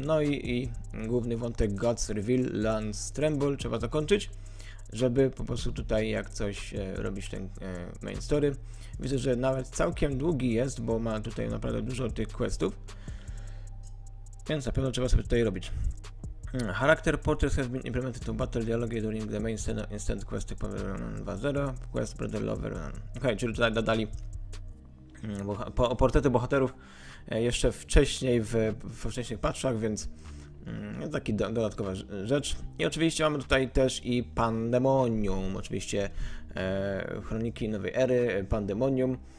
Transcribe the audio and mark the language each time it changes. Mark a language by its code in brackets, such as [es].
[pl] No i główny wątek God's Reveal Lands Tremble trzeba zakończyć, żeby po prostu tutaj jak coś robić ten main story. Widzę, że nawet całkiem długi jest, bo ma tutaj naprawdę dużo tych questów, więc na pewno trzeba sobie tutaj robić. [en] Character portraits have been implemented to battle dialogue during the main instant quest 2.0 quest Brother Lover. [pl] Okej, czyli tutaj dodali portrety bohaterów jeszcze wcześniej w wcześniejszych patchach, więc taki dodatkowa rzecz. I oczywiście mamy tutaj też i Pandemonium, oczywiście Chroniki Nowej Ery, Pandemonium.